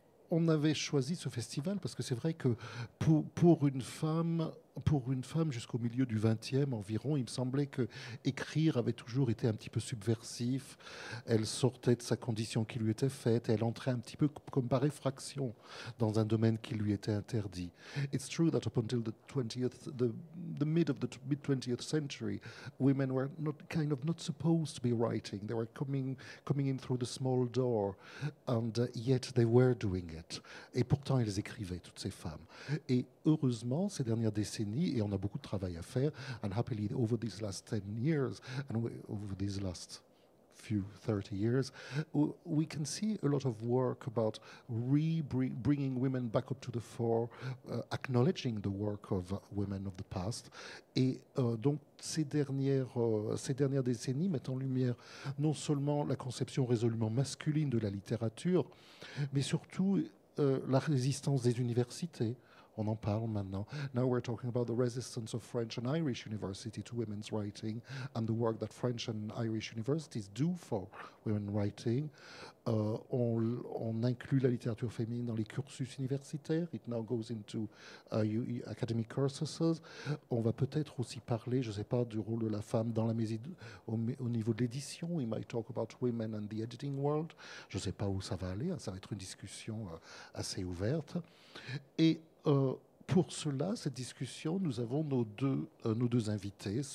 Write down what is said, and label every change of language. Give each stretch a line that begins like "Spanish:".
French: On avait choisi ce festival parce que c'est vrai que pour une femme jusqu'au milieu du 20e environ, il me semblait que écrire avait toujours été un petit peu subversif. Elle sortait de sa condition qui lui était faite. Elle entrait un petit peu comme par effraction dans un domaine qui lui était interdit.
English: It's true that up until the mid 20th century, women were not supposed to be writing. They were coming in through the small door, and yet they were doing it.
French: Et pourtant, elles écrivaient, toutes ces femmes. Et heureusement, ces dernières décennies, et on a beaucoup de travail à faire,
English: and happily over these last 10 years and over these last few 30 years we can see a lot of work about bringing women back up to the fore, acknowledging the work of women of the past.
French: Et donc ces dernières décennies mettent en lumière non seulement la conception résolument masculine de la littérature, mais surtout la résistance des universités. On en parle maintenant.
English: Now we're talking about the resistance of French and Irish university to women's writing and the work that French and Irish universities do for women writing.
French: On inclut la littérature féminine dans les cursus universitaires.
English: It now goes into academic courses.
French: On va peut-être aussi parler, je ne sais pas, du rôle de la femme dans la au niveau de l'édition.
English: We might talk about women and the editing world.
French: Je ne sais pas où ça va aller. Ça va être une discussion assez ouverte. Et pour cela, cette discussion, nous avons nos deux invités.